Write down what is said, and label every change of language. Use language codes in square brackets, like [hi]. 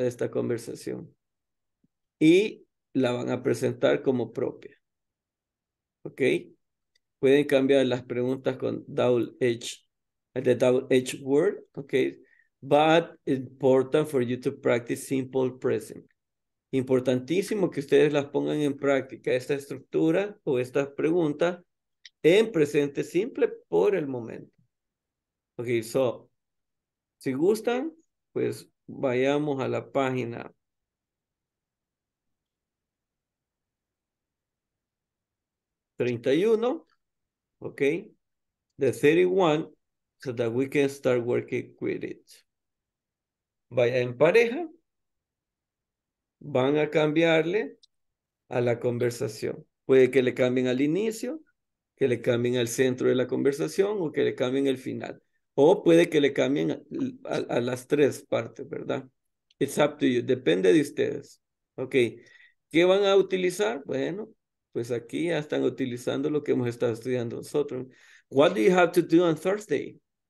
[es] De esta conversación. Y la van a presentar como propia, okay? Pueden cambiar las preguntas con double edge, [en] the double edge word, [es] okay? [en] But important for you to practice simple present. [es] Importantísimo que ustedes las pongan en práctica esta estructura o esta pregunta en presente simple por el momento. Ok, so, si gustan, pues vayamos a la página. [en] The 31, so that we can start working with it. [es] Vaya en pareja, van a cambiarle a la conversación. Puede que le cambien al inicio, que le cambien al centro de la conversación o que le cambien el final. O puede que le cambien a las tres partes, ¿verdad? [en] It's up to you, [es] depende de ustedes. Ok, ¿qué van a utilizar? Bueno, pues aquí ya están utilizando lo que hemos estado estudiando nosotros. [en] What do you have to do on Thursday?